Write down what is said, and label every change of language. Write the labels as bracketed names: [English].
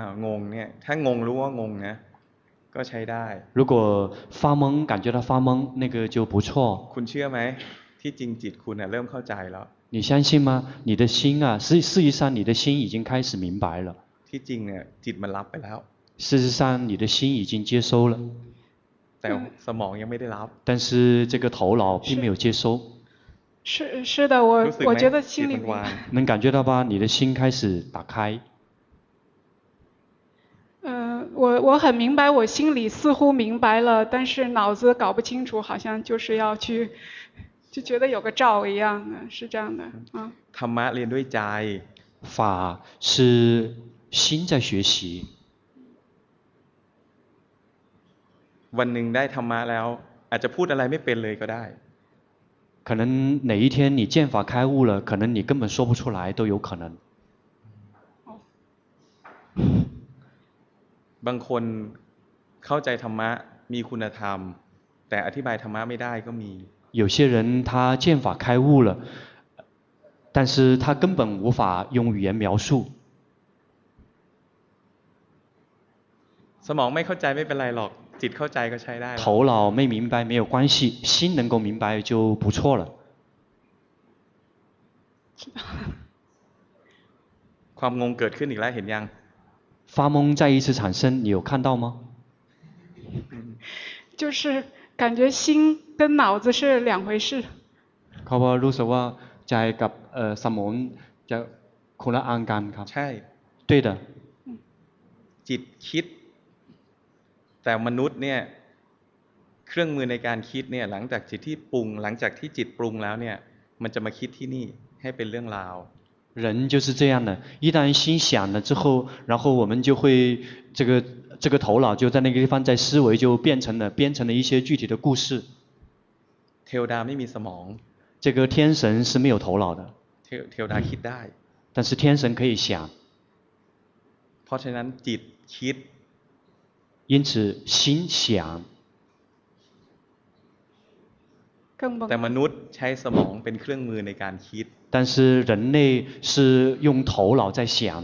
[Thai] งงเนี่ยถ้างงรู้ว่างงนะก็ใช้ได้ [Chinese] 如果发懵感觉到发懵那个就不错 [Thai] คุณเชื่อไหมที่จริงจิตคุณเนี่ยเริ่มเข้าใจแล้ว [Chinese] 你相信吗你的心啊事实上你的心已经开始明白了 [Thai] ที่จริงเนี่ยจิตมันรับไปแล้ว [Chinese] 事实上你的心已经接收了 [Thai] แต่สมองยังไม่ได้รับ [Chinese] 但是这个头脑并没有接收是的我觉得心里能感觉到吧你的心开始打开我很明白我心里似乎明白了但是脑子搞不清楚好像就是要去就觉得有个罩一样是这样的 [Thai] ธรรมะเรียนด้วยใจ [Chinese] 法是心在学习 [Thai] วันหนึ่งได้ธรรมะแล้วอาจจะพูดอะไรไม่เป็นเลยก็ได้ [Chinese] 可能哪一天你剑法开悟了可能你根本说不出来都有可能 [Thai] บางคนเข้าใจธรรมะมีคุณธรรมแต่อธิบายธรรมะไม่ได้ก็มี [Chinese] 有些人他剑法开悟了但是他根本无法用语言描述 [Thai] สมองไม่เข้าใจไม่เป็นไรหรอกจิตเข้าใจก็ใช้ได้ [Chinese] 头脑没明白没有关系心能够明白就不错了 [Thai] ความงงเกิดขึ้นอีกแล้วเห็นยัง [Chinese] 发懵再一次产生你有看到吗就是感觉心跟脑子是两回事 [Thai] เขาบอกรู้สึกว่าใจกับสมองจะคนละอันกันครับ ใช่ [Chinese] 对的 [Thai] จิตคิดแต่มนุษย์เนี่ยเครื่องมือในการคิดเนี่ยหลังจากจิตที่ปรุงหลังจากที่จิตปรุงแล้วเนี่ยมันจะมาคิดที่นี่ให้เป็นเรื่องราว [Chinese] 人就是这样的一旦心想了之后然后我们就会这个头脑就在那个地方在思维就变成了一些具体的故事 [Thai] เทวดาไม่มีสมอง [Chinese] 这个天神是没有头脑的 [Thai] เทวดาคิดได้ [Chinese] 但是天神可以想 [Thai] เพราะฉะนั้นจิตคิด [Chinese] 因此心想更不 [Thai] แต่มนุษย์ใช้สมองเป็นเครื่องมือในการคิด [Chinese] 但是人类是用头脑在想